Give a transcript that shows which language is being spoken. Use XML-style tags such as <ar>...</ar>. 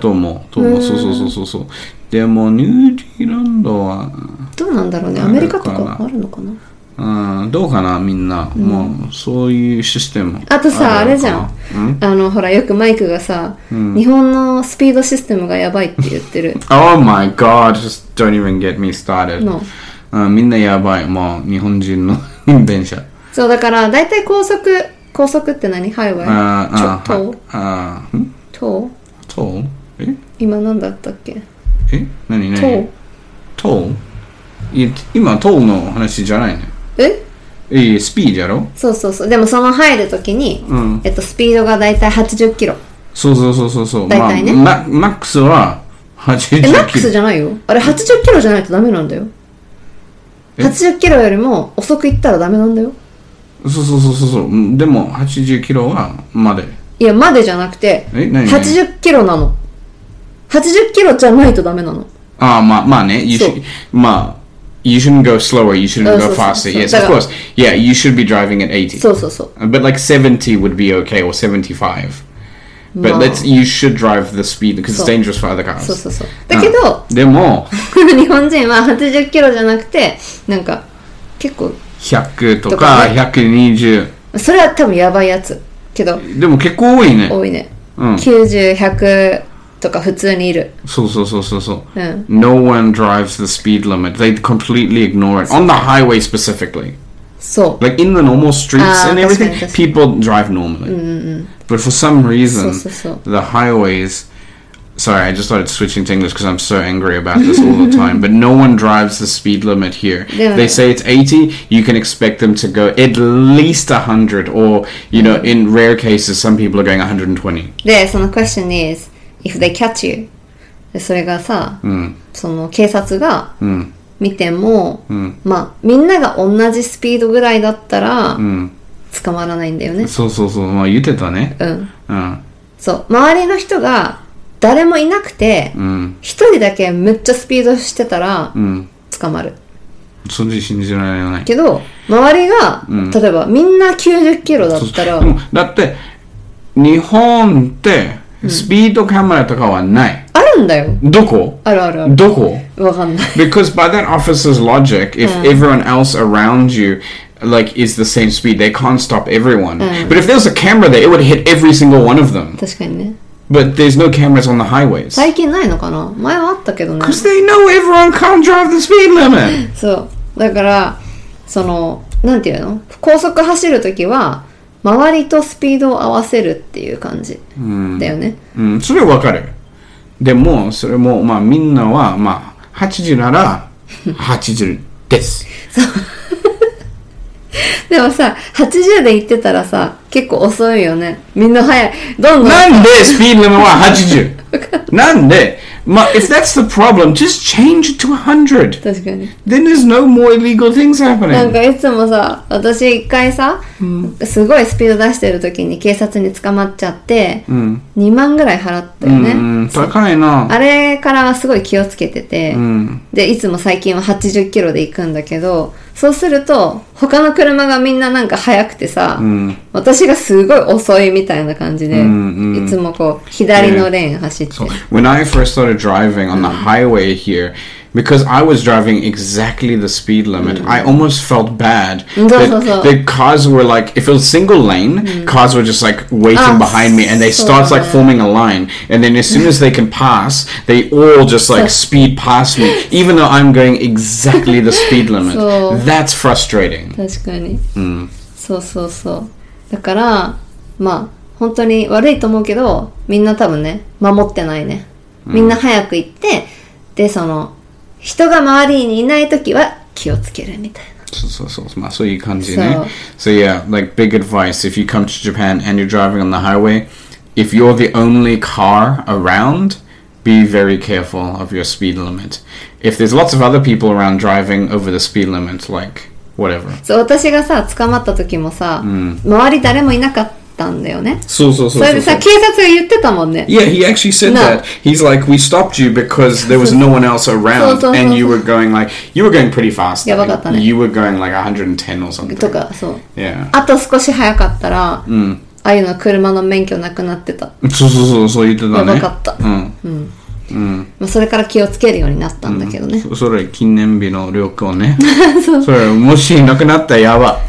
<ja>思う、と思う、そうそうそうそうそう、でもニュージーランドはどうなんだろうね、アメリカとかあるのかな、うん、どうかな、みんな、うん、もうそういうシステム、あとさ、あれじゃん、ほらよくマイクがさ、うん、日本のスピードシステムがやばいって言ってる</ja> <en>Oh my god, just don't even get me started、 no.</en> <ja>みんなやばい、まあ日本人の電車、そうだから大体高速って何、ハイウェイ、トウ、え、今何だったっけ、え、何トウ、いや今トウの話じゃないね、え、いや、スピードやろ、そうそうそう、でもその入る時に、うん、スピードが大体80キロ、そうそうそうそうそう、大体ね、まあ、マックスは80キロ、え、マックスじゃないよ、あれ80キロじゃないとダメなんだよ、80キロよりも遅く行ったらダメなんだよ、そうそうそうそう、でも80キロはまで、いや、までじゃなくて、え、何、 80キロなの、80キロじゃないとダメなの、あ、まあまあね、</ja> <en>you should, まあ You shouldn't go slower, you shouldn't go faster. Yes, of course. Yeah, you should be driving at 80.</en> <ja>そうそうそう、</ja> <en>But like 70 would be okay, or 75. But let's, you should drive the speed because it's dangerous for other cars.</en> <ja>そうそうそう。だけど、でも、日本人は80キロじゃなくて、なんか、結構、 100とか120。それは多分やばいやつ。けど、でも結構多いね。多いね。うん、 90、100とか普通にいる。そうそうそうそうそう。うん、</ja> <en>no one drives the speed limit. They completely ignore it. On the highway specifically. So, like in the normal streets and everything, people drive normally. But for some reason, the highways. Sorry, I just started switching to English because I'm so angry about this all the time. But no one drives the speed limit here. They say it's 80, you can expect them to go at least 100, or, you know, in rare cases, some people are going 120.</en> <ja>で、その</ja> <en>question is if they catch you,</en> <ja>それがさ、その警察が。見ても、うん、まあみんなが同じスピードぐらいだったら捕まらないんだよね、うん、そうそうそう、まあ、言ってたね、うんうん、そう周りの人が誰もいなくて一、うん、人だけめっちゃスピードしてたら捕まる、うん、そんじ信じられないけど周りが、うん、例えばみんな90キロだったらそうそう、うん、だって日本ってスピードカメラとかはない、うんどこ？あるあるある。どこ？わかんない。</ja> <en>Because by that officer's logic, if everyone else around you, like, is the same speed, they can't stop everyone. But if there was a camera there, it would hit every single one of them.</en> <ja>確かにね。</ja> <en>But there's no cameras on the highways.</en> <ja>最近ないのかな？前はあったけどね。</ja> <en>Because they know everyone can't drive the speed limit.</en> <ja>そう。だから、その、なんていうの？高速走るときは、周りとスピードを合わせるっていう感じだよね。うん。それわかる。でもそれもまあみんなはまあ80なら80ですそうでもさ80で行ってたらさ結構遅いよねみんな早いどんどんなんでスピードリミットは80 なんでまあ</ja> <en>if that's the problem just change it to 100</en> <ja>確かに</ja> <en>then there's no more illegal things happening</en> <ja>なんかいつもさ私一回さ、すごいスピード出してる時に警察に捕まっちゃって、2万ぐらい払ったよね、高いなあれからはすごい気をつけてて、でいつも最近は80キロで行くんだけどそうすると他の車がみんななんか速くてさ、私がすごい遅いみたいな感じで、いつもこう左のレーン走って、</ja> <en>When I first started driving on the highway here, because I was driving exactly the speed limit, I almost felt bad. The cars were like, if it was single lane, cars were just like waiting behind me, and they start like forming a line. And then as soon as they can pass, they all just like speed past me, even though I'm going exactly the speed limit. That's frustrating.</en> <ja>確かに。そうそうそう。だから、まあ、本当に悪いと思うけど、みんな多分ね、守ってないね。みんな早く行って、で、その、人が周りにいないときは気をつけるみたいな。そうそうそう。まあ、そういう感じね。</ja> <en>So yeah, like big advice, if you come to Japan and you're driving on the highway, if you're the only car around, be very careful of your speed limit. If there's lots of other people around driving over the speed limit, like, whatever.</en> <ja>そう、私がさ、捕まったときもさ、周り誰もいなかった。</ja> <en>Yeah, he actually said that. He's like, we stopped you because there was no one else around and you were going like, you were going pretty fast.</en> <ja>やばかったね。</ja> <en>You were going like 110 or something.</en> <ja>とか、そう。</ja> <en>Yeah.</en> <ja>あと少し早かったら、あゆの車の免許なくなってた。そうそうそう、そう言ってたね。やばかった。まあ、それから気をつけるようになったんだけどね。それ、記念日の旅行ね。そう。それ、もしなくなったらやば。</ja>